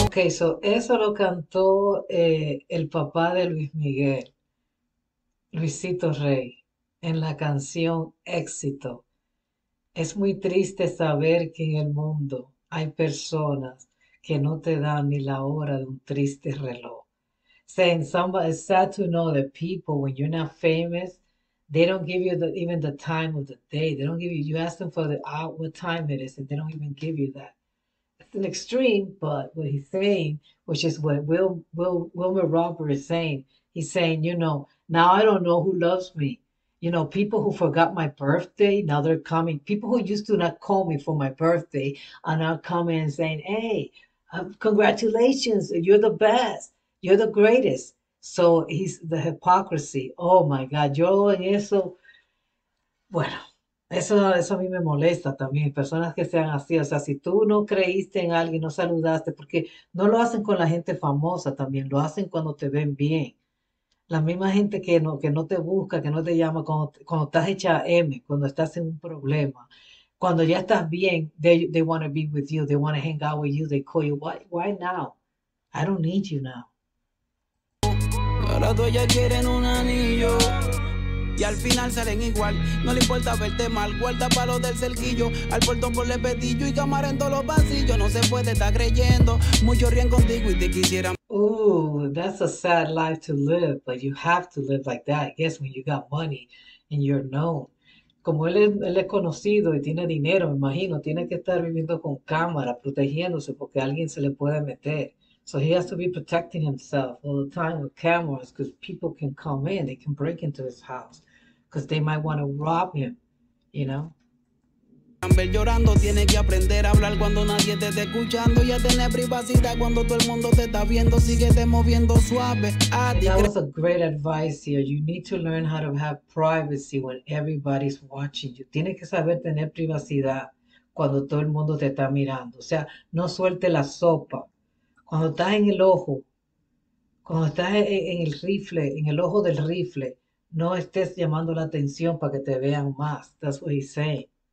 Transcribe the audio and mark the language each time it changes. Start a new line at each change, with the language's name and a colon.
Spanish: Okay, so eso lo cantó el papá de Luis Miguel, Luisito Rey, en la canción Éxito. Es muy triste saber que en el mundo hay personas que no te dan ni la hora de un triste reloj.
English: Saying somebody, it's sad to know that people, when you're not famous, they don't give you even the time of the day. They don't give you ask them for the what time it is, and they don't even give you that. It's an extreme, but what he's saying, which is what Wilmer Robert is saying, he's saying, you know, now I don't know who loves me. You know, people who forgot my birthday, now they're coming. People who used to not call me for my birthday are now coming and saying, hey, congratulations, you're the best, you're the greatest. So he's the hypocrisy. Oh my God,
Spanish: yo en eso, bueno, eso a mí me molesta también. Personas que sean así, o sea, si tú no creíste en alguien, no saludaste, porque no lo hacen con la gente famosa también, lo hacen cuando te ven bien. La misma gente que no te busca, que no te llama, cuando estás hecha M, cuando estás en un problema. Cuando ya estás bien,
English: they want to be with you, they want to hang out with you, they call you. Why now? I don't need you now.
Spanish: Ahora todos ya quieren un anillo y al final salen igual. No le importa verte mal, guarda palos del cerquillo. Al portón por el pestillo y cámara en todos los pasillos. No se puede estar creyendo. Muchos ríen contigo y te quisieran.
English: Ooh, that's a sad life to live, but you have to live like that. I guess when you got money and you're known.
Spanish: Como él es conocido y tiene dinero, me imagino, tiene que estar viviendo con cámara, protegiéndose porque alguien se le puede meter.
English: So he has to be protecting himself all the time with cameras because people can come in, they can break into his house because they might want to rob him, you know?
Spanish: Amber llorando, tienes que aprender a hablar cuando nadie te está escuchando y a tener privacidad cuando todo el mundo te está viendo. Síguete moviendo suave.
English: That was a great advice here. You need to learn how to have privacy when everybody's watching you.
Spanish: Tienes que saber tener privacidad cuando todo el mundo te está mirando. O sea, no suelte la sopa. Cuando estás en el ojo, cuando estás en el rifle, en el ojo del rifle, no estés llamando la atención para que te vean más.
English: That's what he's saying.